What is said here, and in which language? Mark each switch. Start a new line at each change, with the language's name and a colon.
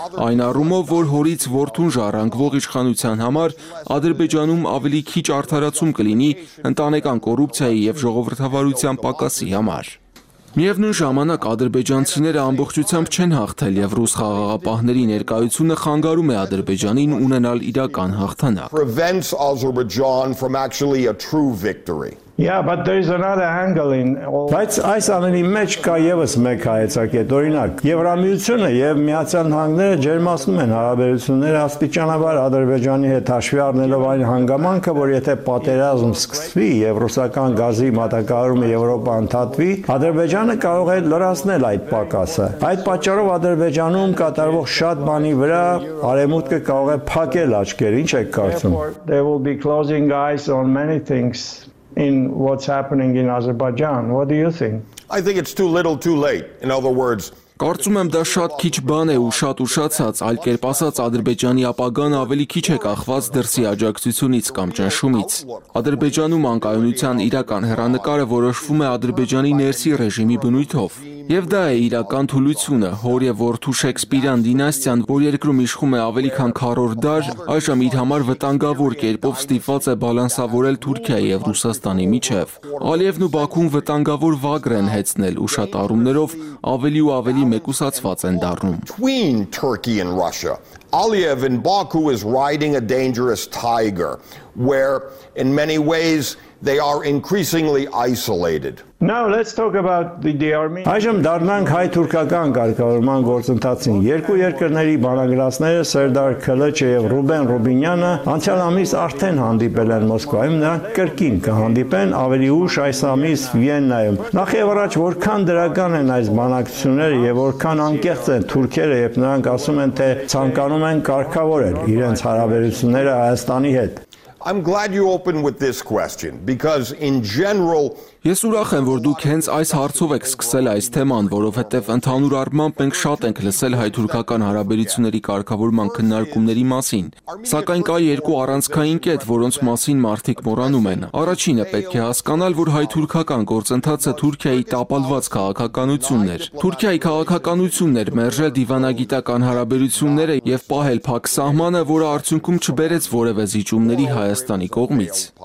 Armenian: այն առումով, որ հորից որդուն ժառանգվող իշխանության համար Ադրբեջանում ավելի քիչ արդարացում կլինի ընտանեկան կոռուպցիայի եւ ժողովրդավարության պակասի համար։ Միևնույն ժամանակ ադրբեջանցիները ամբողջությամբ չեն հաղթել եւ ռուս խաղաղապահների ներկայությունը խանգարում է Ադրբեջանին ունենալ իրական հաղթանակ։
English: Yeah, but there is another angle in all.
Armenian: Բայց այս ամենի մեջ կա եւս մեկ հայեցակետ, օրինակ, Եվրամիությունը եւ Միացյալ Նահանգները ջերմացնում են հարաբերությունները աստիճանաբար Ադրբեջանի հետ, հաշվի առնելով այն հանգամանքը, որ եթե պատերազմ սկսվի եւ ռուսական գազի մատակարարումը Եվրոպա ընդհատվի, Ադրբեջանը կարող է լրացնել այդ պակասը։ Այդ պատճառով Ադրբեջանում կատարվող շատ բանի վրա արեմուտքը կարող է փակել աչքերը, ինչ եք կարծում։
English: They will be closing eyes on many things. In what's happening in Azerbaijan, what do you think? I think it's too little, too late. In other words,
Armenian: Կարծում եմ դա շատ քիչ բան է ու շատ ուշացած, այլ կերպ ասած Ադրբեջանի ապագան ավելի քիչ է կախված դրսի աջակցությունից կամ ճնշումից։ Ադրբեջանում անկայունության իրական հեռանկարը որոշվում է Ադրբեջանի ներսի ռեժիմի բնույթով։ Եվ դա է իրական թուլությունը, հոր եւ որդու Շեքսպիրյան դինաստիան, որ երկրում իշխում է ավելի քան 40 դար, այժմ իր համար վտանգավոր կերպով ստիպված է բալանսավորել Թուրքիայի եւ Ռուսաստանի միջև։ Ալիևն ու Բաքուն վտանգավոր վագր են հեցնել ու շատ առումներով ավելի ու ավելի մեկուսացված են դառնում։
English: Between Turkey and Russia, Aliyev in Baku is riding a dangerous tiger where in many ways they are increasingly isolated. Now let's talk about the Armenian.
Armenian: Այժմ դառնանք հայ-թուրքական կարգավորման գործընթացին։ Երկու երկրների բանակցությունները, Սերդար Քլեչը եւ Ռուբեն Ռուբինյանը, անցյալ ամիս արդեն հանդիպել են Մոսկվայում, նրանք կրկին կհանդիպեն ավելի ուշ այս ամիս Վիեննայում։ Նախ եւ առաջ որքան դրական են այս բանակցությունները եւ որքան անկեղծ են թուրքերը, երբ նրանք ասում են, թե ցանկանում են կարգավորել իրենց հարաբերությունները Հայաստանի հետ։
English: I'm glad you opened with this question because in general
Armenian: Ես ուրախ եմ, որ դուք հենց այս հարցով եք սկսել այս թեման, որովհետև ընդհանուր առմամբ մենք շատ ենք լսել հայ-թուրքական հարաբերությունների կարգավորման քննարկումների մասին։ Սակայն կա երկու առանցքային կետ, որոնց մասին մարդիկ մոռանում են։ Առաջինը պետք է հասկանալ, որ հայ-թուրքական գործընթացը Թուրքիայի տապալված քաղաքականությունն էր։ Թուրքիայի քաղաքականությունն էր մերժել դիվանագիտական հարաբերությունները և պահել փակ սահմանը, որը արդյունքում չբերեց որևէ զիջումների Հայաստանի կողմից։